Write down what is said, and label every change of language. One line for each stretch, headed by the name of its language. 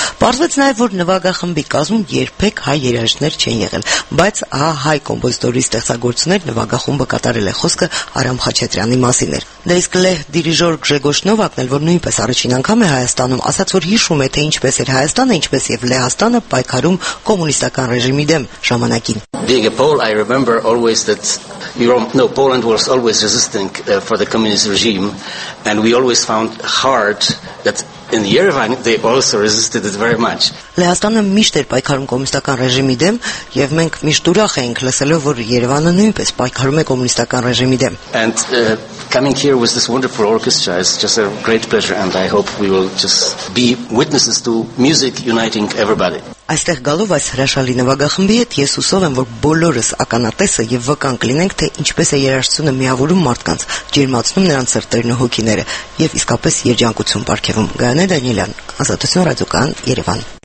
Armenian: Պարզվեց նաև, որ նվագախմբի կազմում երբեք հայ երաժիշտներ չեն եղել, բայց հայ կոմպոզիտորի ստեղծագործություններ նվագախումբը կատարել է, խոսքը Արամ Խաչատրյանի մասին էր։ Դա իսկ լեհ դիրիժոր Գրեգոշ Նովակն էլ, որ նույնպես առաջին անգամ է Հայաստանում, ասաց, որ հիշում է, թե ինչպես էր Հայաստանը, ինչպես և Լեհաստանը պայքարում կոմունիստական ռեժիմի դեմ ժամանակին։
English: Being a Pole, I remember always that Poland was always resisting for the communist regime, and we always found hard that in Yerevan they also resisted it very much.
Armenian: Լեհաստանը միշտ էր պայքարում կոմունիստական ռեժիմի դեմ, և մենք միշտ ուրախ էինք լսելով, որ Երևանը նույնպես պայքարում է կոմունիստական ռեժիմի դեմ։
English: And coming here with this wonderful orchestra is just a great pleasure, and I hope we will just be witnesses to music uniting everybody.
Armenian: Այստեղ գալով այս հրաշալի նվագախմբի հետ ես հուսով եմ, որ բոլորս ականատեսը և վկան կլինենք, թե ինչպես է երաժշտությունը միավորում մարդկանց, ջերմացնում նրանց սրտերն ու հոգիները և իսկապես երջանկություն պարգևում։ Գայանե Դանիելյան, Ազատություն ռադիոկան, Երևան։